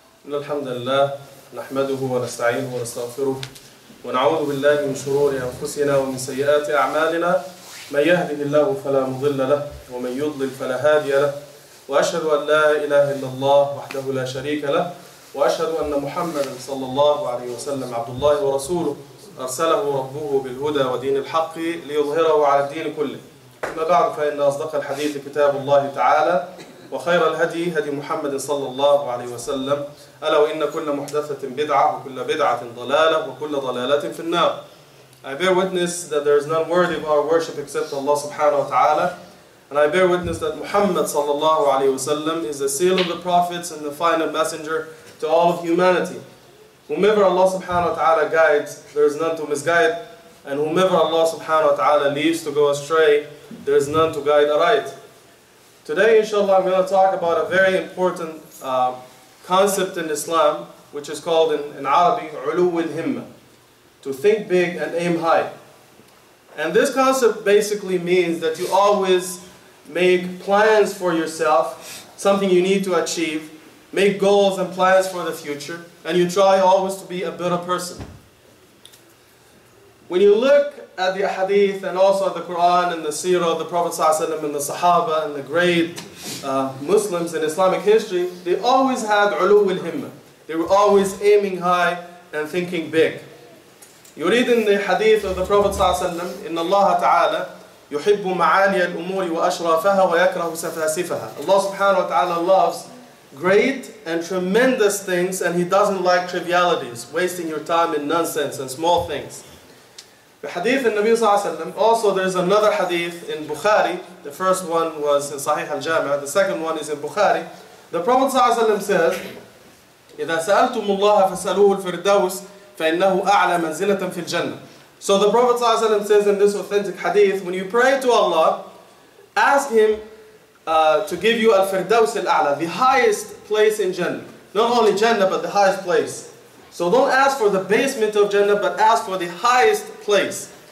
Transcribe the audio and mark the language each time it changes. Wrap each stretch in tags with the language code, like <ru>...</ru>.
<ar>إن الحمد لله نحمده ونستعينه ونستغفره ونعوذ بالله من شرور أنفسنا ومن سيئات أعمالنا، من يهده الله فلا مضل له ومن يضلل فلا هادي له، وأشهد أن لا إله إلا الله وحده لا شريك له، وأشهد أن محمدا صلى الله عليه وسلم عبد الله ورسوله أرسله ربه بالهدى ودين الحق ليظهره على الدين كله. أما بعد، فإن أصدق الحديث كتاب الله تعالى وخير الهدي هدي محمد صلى الله عليه وسلم، ألا وإن كل محدثة بدعة وكل بدعة ضلالة وكل ضلالة في النار.</ar> <en>I bear witness that there is none worthy of our worship except Allah subhanahu wa ta'ala. And I bear witness that Muhammad</en> <ar>صلى الله عليه وسلم</ar> <en>is the seal of the prophets and the final messenger to all of humanity. Whomever Allah subhanahu wa ta'ala guides, there is none to misguide. And whomever Allah subhanahu wa ta'ala leaves to go astray, there is none to guide aright. Today, inshallah, I'm going to talk about a very important concept in Islam, which is called in Arabic, ulu al-himma, to think big and aim high. And this concept basically means that you always make plans for yourself, something you need to achieve, make goals and plans for the future, and you try always to be a better person. When you look at the hadith and also at the Quran and the seerah of the Prophet ﷺ and the sahaba and the great Muslims in Islamic history, they always had ulu al-himma. They were always aiming high and thinking big. You read in the hadith of the Prophet ﷺ,</en> <ar>إِنَّ اللَّهَ تَعَالَى يُحِبُّ مَعَالِيَ الْأُمُورِ وَأَشْرَافَهَا وَيَكْرَهُ سَفَاسِفَهَا.</ar> <en>Allah subhanahu wa ta'ala loves great and tremendous things, and He doesn't like trivialities, wasting your time in nonsense and small things. The hadith in Nabi Sallallahu Alaihi Wasallam, also there is another hadith in Bukhari. The first one was in Sahih al-Jami'ah, the second one is in Bukhari. The Prophet Sallallahu Alaihi Wasallam says,</en> <ar>إِذَا سَأَلْتُمُ اللَّهَ فَسَأَلُوهُ الْفِرْدَوْسِ فَإِنَّهُ أَعْلَى مَنْزِلَةً فِي الْجَنَّةِ.</ar> <en>So the Prophet Sallallahu Alaihi Wasallam says in this authentic hadith, when you pray to Allah, ask Him to give you al-Firdaws al-A'la, the highest place in Jannah. Not only Jannah, but the highest place. So don't ask for the basement of Jannah, but ask for the highest place.</en>